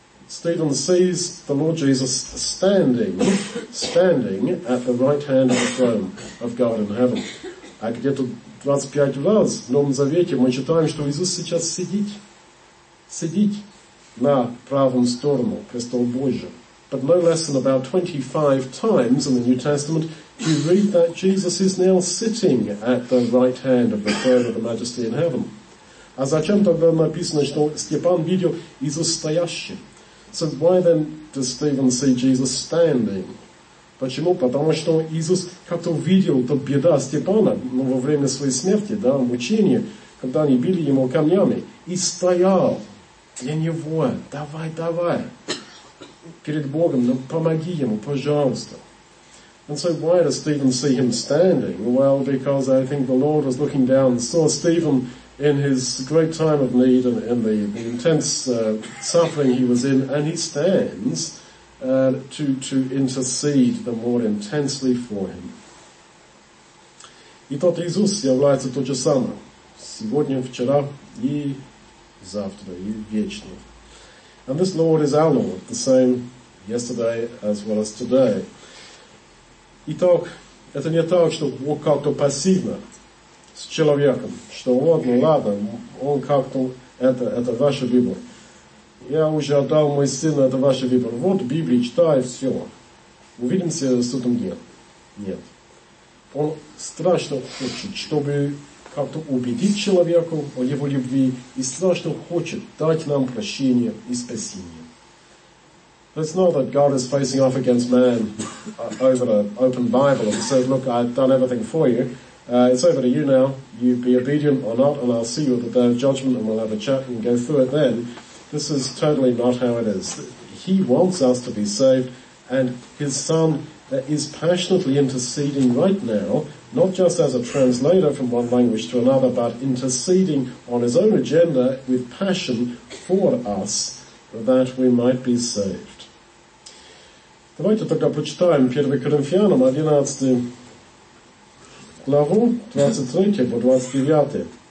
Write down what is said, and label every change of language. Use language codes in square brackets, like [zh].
[en] Stephen sees the Lord Jesus standing at the right hand of the throne of God in heaven. [ru] А где-то 25 раз в Новом Завете мы читаем, что Иисус сейчас сидит на правом сторону престола Божьего. [en] But no less than about 25 times in the New Testament you read that Jesus is now sitting at the right hand of the throne of the Majesty in heaven. [ru] А зачем тогда написано, что Степан видел Иисус стоящим? [en] So why then does Stephen see Jesus standing? [ru] Почему? Потому что Иисус как-то видел то беда Степана во время своей смерти, да, мучения, когда они били ему камнями, и стоял для него, давай, перед Богом, ну помоги ему, пожалуйста. [en] And so why does Stephen see him standing? Well, because I think the Lord was looking down and saw Stephen in his great time of need and in the intense suffering he was in, and he stands to intercede the more intensely for him. [ru] И тот Иисус является тот же самый сегодня, вчера и завтра и вечно. [en] And this Lord is our Lord, the same yesterday as well as today. [ru] Итак, это не так, что Бог как-то пассивно с человеком, что вот, ну ладно, он как-то, это ваш выбор. Я уже отдал мой сына, это ваш выбор. Вот Библию читай, все. Увидимся судом дня. Нет. Он страшно хочет, чтобы как-то убедить человеку о его любви, и страшно хочет дать нам прощение и спасение. [en] It's not that God is facing off against man over an open Bible and said, look, I've done everything for you. It's over to you now. You be obedient or not, and I'll see you at the day of judgment, and we'll have a chat and go through it then. This is totally not how it is. He wants us to be saved, and his son is passionately interceding right now, not just as a translator from one language to another, but interceding on his own agenda with passion for us, that we might be saved. [ru] Давайте тогда прочитаем 1 Коринфянам 11 главу 23 по 29.